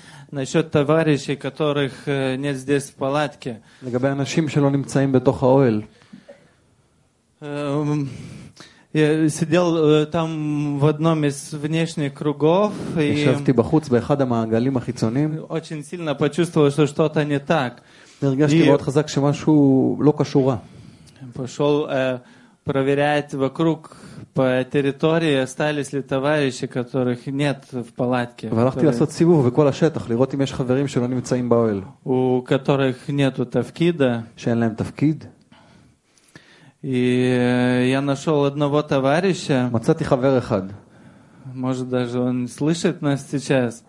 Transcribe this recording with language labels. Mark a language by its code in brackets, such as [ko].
[ru] Насчет товарищей, которых нет здесь в палатке. [he] לגבי אנשים שלא נמצאים בתוך האוהל. [ru] Я сидел там в одном из внешних кругов. [he] ישבתי בחוץ באחד המעגלים החיצוניים. [ru] Очень сильно почувствовал, что что-то не так. [he] הרגשתי מאוד חזק שמשהו לא קשורה. [ru] Пошел проверяет вокруг по территории, остались ли товарищи, которых нет в палатке. [he] והלכתי לעשות סיבוב בכל השטח, לראות אם יש חברים שלא נמצאים באוהל. [ru] У которых нету [he] תפקידה. שאין להם תפקיד. [ru] И я нашел одного товарища. [he] מצאתי חבר אחד. [ru] Может даже он слышит нас сейчас.